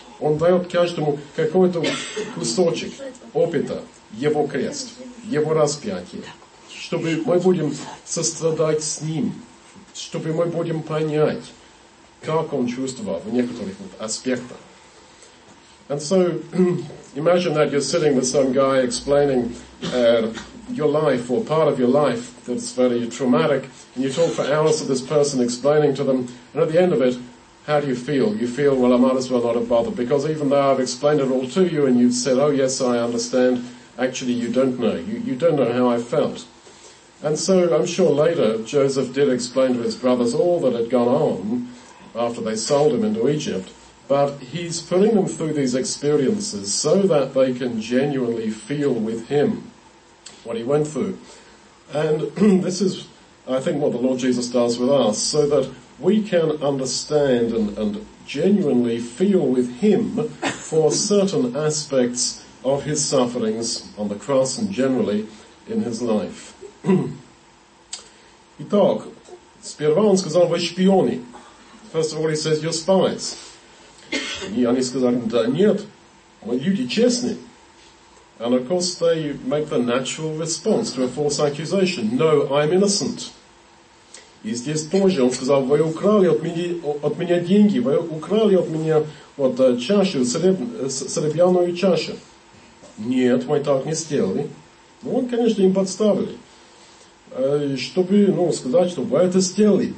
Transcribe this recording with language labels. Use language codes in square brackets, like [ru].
[ru] Он дает каждому какой-то кусочек опыта, его крест, его распятие. Чтобы мы будем сострадать с ним, чтобы мы будем понять, как он чувствовал в некоторых аспектах. [en] And so, imagine that you're sitting with some guy explaining your life or part of your life that's very traumatic, and you talk for hours to this person explaining to them, and at the end of it, how do you feel? You feel, well, I might as well not have bothered, because even though I've explained it all to you and you've said, oh yes, I understand, actually you don't know. You don't know how I felt. And so I'm sure later Joseph did explain to his brothers all that had gone on after they sold him into Egypt, but he's putting them through these experiences so that they can genuinely feel with him what he went through. And this is, I think, what the Lord Jesus does with us, so that we can understand and genuinely feel with him for certain aspects of his sufferings on the cross and generally in his life. [ru] Итак, сперва он сказал, вы шпионы. [en] First of all, he says, you're spies. [ru] И они сказали, да нет, мы люди честные. [en] And of course, they make the natural response to a false accusation. No, I'm innocent. [ru] И здесь тоже он сказал, вы украли от меня деньги, вы украли от меня вот чашу, серебряную чашу. Нет, мы так не сделали. Ну, он, конечно, им подставили. Чтобы, ну, сказать, что вы это сделали.